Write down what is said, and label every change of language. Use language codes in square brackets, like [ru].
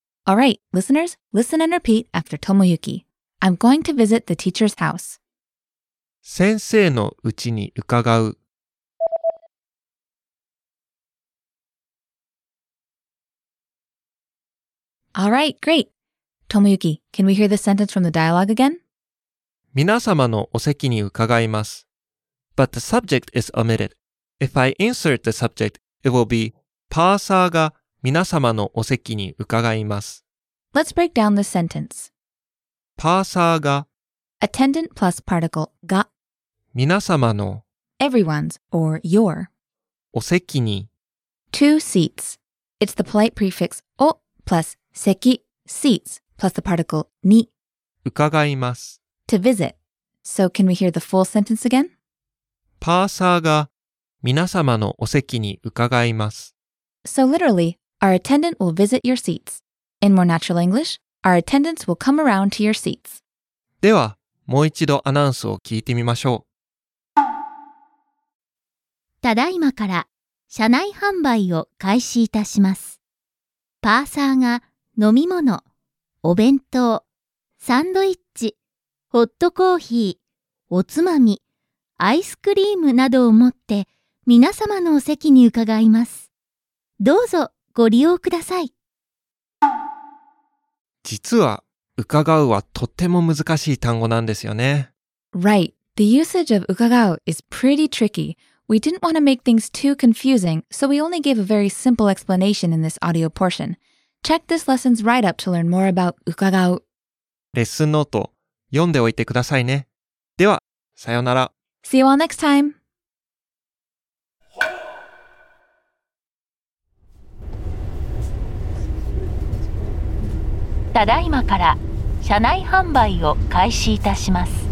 [en] Alright, listeners, listen and repeat after Tomoyuki. I'm going to visit the teacher's house. [ja] 先生のうちに伺う. [en] Alright, great! Tomoyuki, can we hear the sentence from the dialogue again? [ja] 皆様のお席に伺います。 [en] But the subject is omitted. If I insert the subject, it will be [ja] パーサーが皆様のお席に伺います。 [en] Let's break down this sentence. [ja] パーサーが [en] Attendant plus particle が [ja] 皆様の [en] Everyone's or your [ja] お席に [en] Two seats. It's the polite prefix お plus 席 seats plus the particle に [ja] 伺います。 [en] To visit. So can we hear the full sentence again? パーサーが皆様のお席に伺います。 So literally, our attendant will visit your seats. In more natural English, our attendants will come around to your seats. [ja] では、もう一度アナウンスを聞いてみましょう。ただいまから車内販売を開始いたします。パーサーが飲み物、お弁当、サンドイッチ、ホットコーヒー、おつまみ、アイスクリームなどを持って皆様のお席に伺います。どうぞご利用ください。実は、伺うはとっても難しい単語なんですよね。 [en] Right. The usage of 伺う is pretty tricky. We didn't want to make things too confusing, so we only gave a very simple explanation in this audio portion. Check this lesson's write-up to learn more about 伺う。 [ja] レッスンノート。読んでおいてくださいね。では、さようなら。 [en] See you all next time! [ja] ただいまから、車内販売を開始いたします。